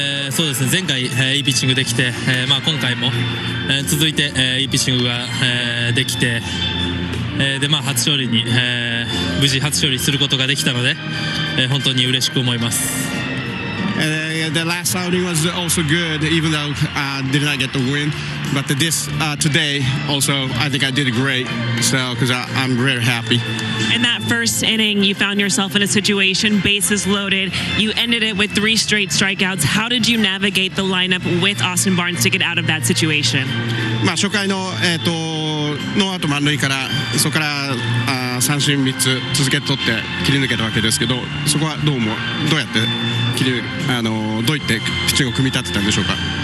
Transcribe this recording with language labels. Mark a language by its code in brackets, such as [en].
[ja] そうですね、前回、いいピッチングできて、今回も、続いて、いいピッチングが、できて、初勝利に、無事初勝利することができたので、本当に嬉しく思います。 [en] The last outing was also good, even though I did not get the win. But this today also, I think I did great. So, because I'm very happy. In that first inning, you found yourself in a situation, bases loaded. You ended it with three straight strikeouts. How did you navigate the lineup with Austin Barnes to get out of that situation? [ja] まあ初回のノーアウト満塁からそこから三振3つ続けて取って切り抜けたわけですけど、そこはどうもどうやって切りどういってピッチングを組み立てたんでしょうか。